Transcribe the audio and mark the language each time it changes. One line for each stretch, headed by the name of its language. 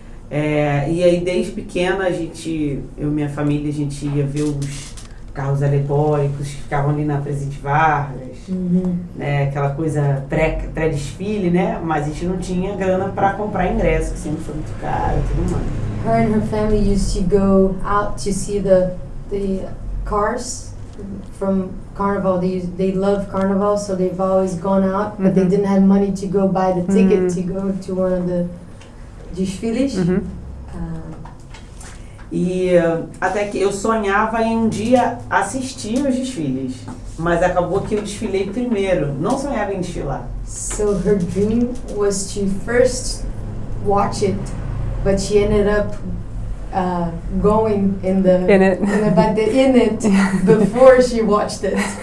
Portuguese: É, e aí desde pequena eu e minha família, a gente ia ver os carros alegóricos que ficavam ali na Presidente Vargas, né, aquela coisa pré-desfile, né, mas a gente não tinha grana para comprar ingresso, que sempre foi muito caro, tudo mais.
English: Her and her family used to go out to see the cars from Carnival. They love Carnival, so they've always gone out, but they didn't have money to go buy the ticket to go to one of the desfiles.
Portuguese: E até que eu sonhava em um dia assistir os desfiles, mas acabou que eu desfilei primeiro. Não sonhava em desfilar.
English: So her dream was to first watch it, but she ended up going in it before she watched it.